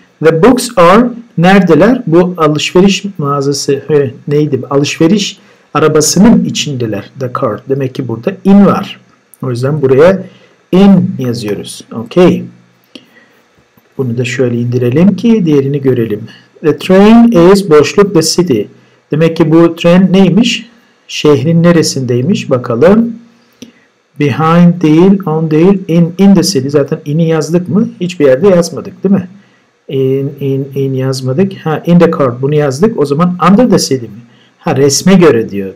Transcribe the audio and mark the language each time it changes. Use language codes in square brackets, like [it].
[en] The books are, [tr] neredeler? Bu alışveriş mağazası neydi? Alışveriş arabasının içindeler. The car. Demek ki burada in var. O yüzden buraya in yazıyoruz. Okay. Bunu da şöyle indirelim ki diğerini görelim. [en] The train is, boşluk, the city. [tr] Demek ki bu train neymiş? Şehrin neresindeymiş? Bakalım. Behind değil, on değil, [en] in the city. [tr] Zaten in'i yazdık mı? Hiçbir yerde yazmadık, değil mi? In yazmadık. Ha, [en] in the car, [tr] bunu yazdık. O zaman under the city mi? Ha, resme göre diyor.